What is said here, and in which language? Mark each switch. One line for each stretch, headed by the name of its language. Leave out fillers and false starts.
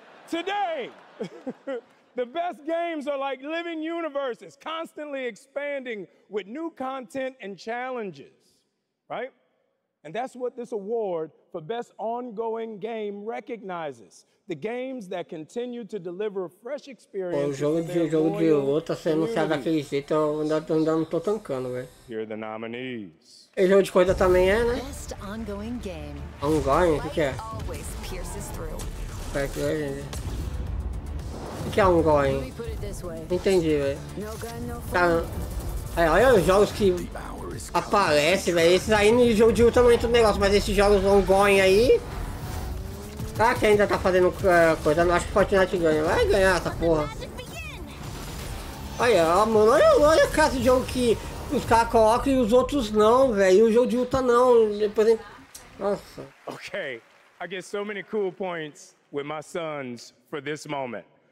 English: Today, the best games are like living universes, constantly expanding with new content and challenges, right? And that's what this award for best ongoing game recognizes. The games that continue to deliver fresh experiences.
Portuguese: O jogo de outro, você não sabe daquele jeito, eu não tô tancando, velho.
English: Here are the nominees.
Portuguese: E jogo de coisa também é, né?
English: Best ongoing game.
Portuguese: Ongoing? O que é?
English: Always pierces through.
Portuguese: Espera aqui, vai, gente. O que é ongoing? Entendi, velho. Tá. Aí, olha os jogos que aparecem, velho. Esses aí no jogo de outro não entra no negócio, mas esses jogos ongoing aí. Ah, que ainda tá fazendo coisa, não acho que Fortnite ganha. Vai ganhar essa porra. Olha, mano, olha a casa de jogo que os caras colocam e os outros não, velho. E o jogo de luta não. Depois. Nossa.
English: Ok. I get so many cool points with my sons for this moment.